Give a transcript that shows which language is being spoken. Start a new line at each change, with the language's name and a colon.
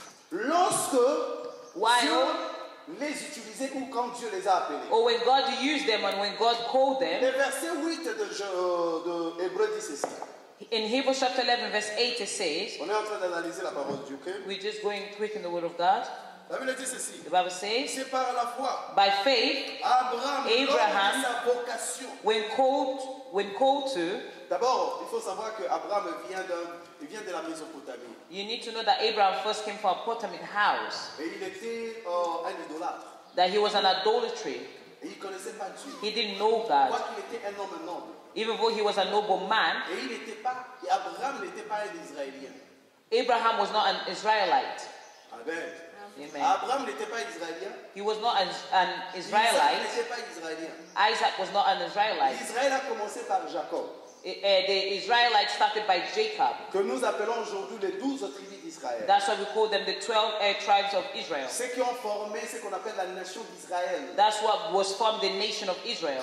French: lorsque Dieu les utilisait ou quand Dieu les a appelés,
English: or when God used them and when God called them,
French: le verset 8 de Hébreu dit ceci.
English: In Hebrews chapter 11 verse 8 it says,
French: on est en train d'analyser la parole de Dieu, okay?
English: We're just going quick in the word of God.
French: La Bible dit ceci.
English: The Bible says,
French: c'est par la foi,
English: by faith,
French: Abraham sa vocation,
English: when called to,
French: d'abord il faut savoir que Abraham vient d'un il vient de la Mésopotamie.
English: You need to know that Abraham first came from a Potamic house.
French: Et il était un idolâtre.
English: That he was an idolatry.
French: Et il connaissait pas Dieu.
English: He didn't know God.
French: Quoi qu'il était un homme noble.
English: Even though he was a noble man.
French: Et il était pas, Abraham n'était pas un Israélien.
English: Abraham was not an Israelite. Amen. Amen.
French: Abraham n'était pas Israélien.
English: He was not an Israelite.
French: Isaac n'était pas Israélien.
English: Isaac was not an Israelite.
French: Israël a commencé par Jacob.
English: The Israelites started by Jacob.
French: Que nous appelons aujourd'hui les 12 tribus d'Israël.
English: That's why we call them the 12 tribes of Israel.
French: Ceux qui ont formé ce qu'on appelle la nation d'Israël.
English: That's what was formed the nation of Israel.